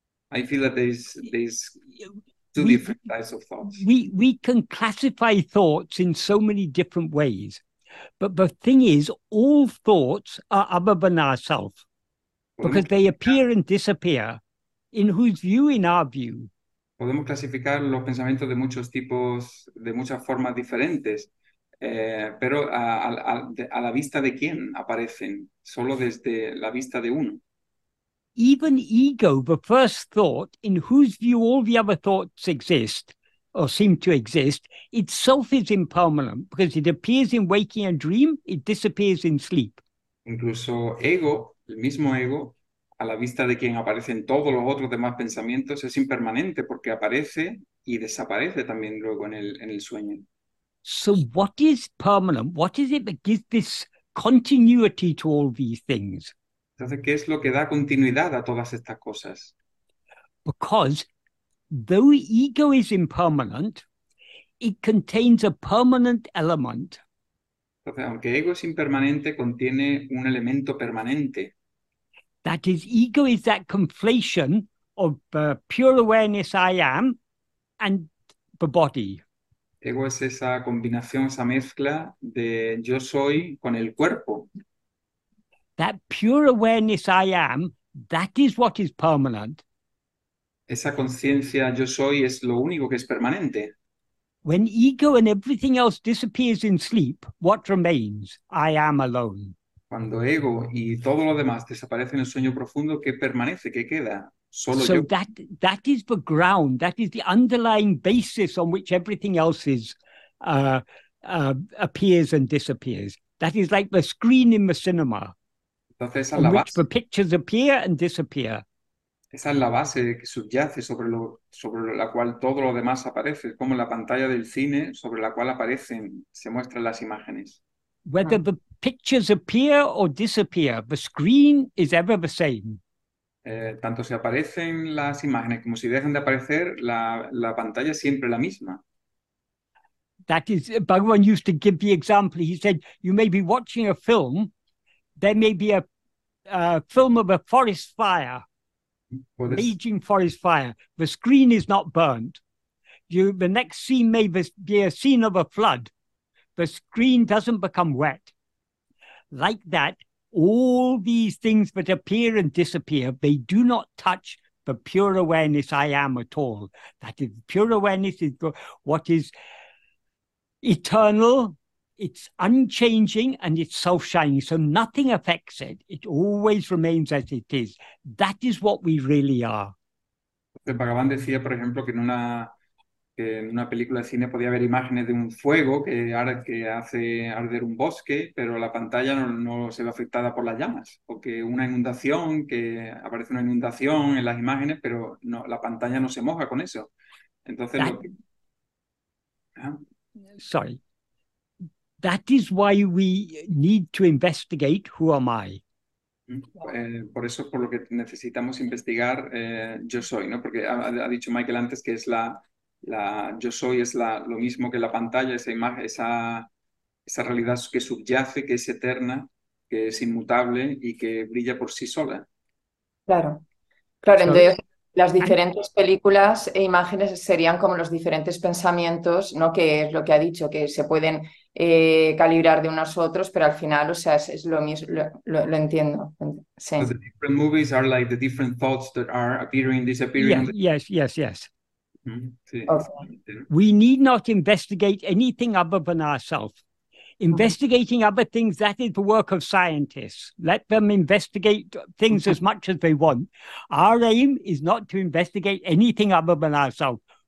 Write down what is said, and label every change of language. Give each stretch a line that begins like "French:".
English: I feel that there's two different types of thoughts. We can classify thoughts in so many different ways, but the thing is, all thoughts are other than ourselves. Because they appear and disappear. In whose view? In our view.
Spanish: Podemos clasificar los pensamientos de muchos tipos, de muchas formas diferentes. Pero a la vista de quién aparecen? Solo desde la vista de uno.
English: Even ego, the first thought, in whose view all the other thoughts exist, or seem to exist, itself is impermanent, because it appears in waking and dream, it disappears in sleep.
Spanish: Incluso ego, el mismo ego, a la vista de quien aparecen todos los otros demás pensamientos, es impermanente porque aparece y desaparece también luego en el sueño.
English: So what is permanent? What is it that gives this continuity to all these things?
Spanish: Entonces, ¿qué es lo que da continuidad a todas estas cosas?
English: Because though ego is impermanent, it contains a permanent element.
Spanish: Entonces, aunque ego es impermanente, contiene un elemento permanente.
English: That is, ego is that conflation of pure awareness I am and the body.
Spanish: Ego es esa combinación, esa mezcla de yo soy con el cuerpo.
English: That pure awareness I am, that is what is permanent.
Spanish: Esa conciencia yo soy es lo único que es permanente.
English: When ego and everything else disappears in sleep, what remains? I am alone.
Spanish: Cuando ego y todo lo demás desaparece en el sueño profundo, ¿qué permanece? ¿Qué queda? Solo
English: so
Spanish: yo.
English: That is the ground, that is the underlying basis on which everything else is appears and disappears. That is like the screen in the cinema.
Spanish: Entonces, esa
English: on
Spanish: la
English: which
Spanish: base.
English: The pictures appear and disappear.
Spanish: Esa es la base que subyace sobre la cual todo lo demás aparece, como la pantalla del cine sobre la cual aparecen, se muestran las imágenes.
English: Whether the pictures appear or disappear, the screen is ever the same.
Spanish: Tanto si aparecen las imágenes como si dejan de aparecer, la pantalla es siempre la misma.
English: That is, Bhagavan used to give the example. He said, you may be watching a film, there may be a film of a forest fire, raging forest fire. The screen is not burnt. The next scene may be a scene of a flood, the screen doesn't become wet. Like that, all these things that appear and disappear, they do not touch the pure awareness I am at all. That is, pure awareness is what is eternal, it's unchanging, and it's self-shining. So nothing affects it. It always remains as it is. That is what we really are.
Spanish: El Bhagavan decía, por ejemplo, que en una película de cine podía haber imágenes de un fuego que hace arder un bosque, pero la pantalla no se ve afectada por las llamas. O que una inundación, que aparece una inundación en las imágenes, pero no, la pantalla no se moja con eso. Entonces,
English: That is why we need to investigate who am I.
Spanish: Por eso es por lo que necesitamos investigar yo soy, ¿no? Porque ha dicho Michael antes que es la yo soy es la lo mismo que la pantalla, esa imagen, esa realidad que subyace, que es eterna, que es inmutable y que brilla por sí sola. Claro. Claro, entonces las diferentes películas e imágenes serían como los diferentes pensamientos, ¿no? Que es lo que ha dicho, que se pueden calibrar de unos a otros, pero al final, o sea, es lo mismo, lo entiendo. Sí.
English: So the different movies are like the different thoughts that are appearing, disappearing. Yes.
Spanish: Mm-hmm. Sí.
English: Okay. We need not investigate anything other than ourselves. Investigating other things, that is the work of scientists. Let them investigate things as much as they want. Our aim is not to investigate anything other than ourselves.